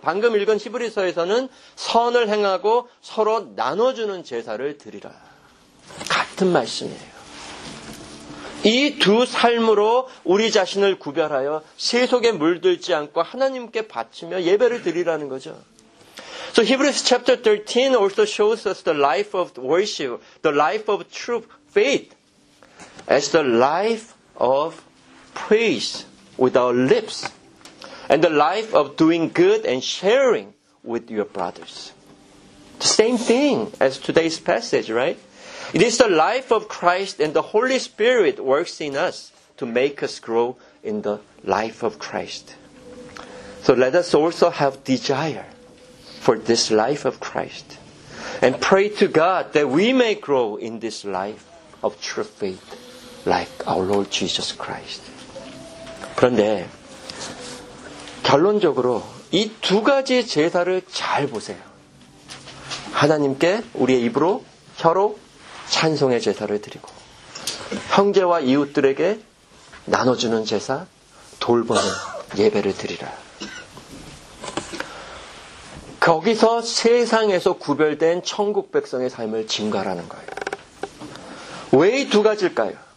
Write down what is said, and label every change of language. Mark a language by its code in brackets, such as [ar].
[ko] 방금 읽은 히브리서에서는 선을 행하고 서로 나눠주는 제사를 드리라. 같은 말씀이에요. 이 두 삶으로 우리 자신을 구별하여 세속에 물들지 않고 하나님께 바치며 예배를 드리라는 거죠. [en] So Hebrews chapter 13 also shows us the life of worship, the life of true faith as the life of praise with our lips and the life of doing good and sharing with your brothers. The same thing as today's passage, right? It is the life of Christ and the Holy Spirit works in us to make us grow in the life of Christ. So let us also have desire for this life of Christ and pray to God that we may grow in this life of true faith like our Lord Jesus Christ. [ko] 그런데 결론적으로 이 두 가지 제사를 잘 보세요. 하나님께 우리의 입으로 혀로 찬송의 제사를 드리고 형제와 이웃들에게 나눠주는 제사 돌보는 예배를 드리라 거기서 세상에서 구별된 천국 백성의 삶을 증거하라는 거예요 왜 이 두 가지일까요?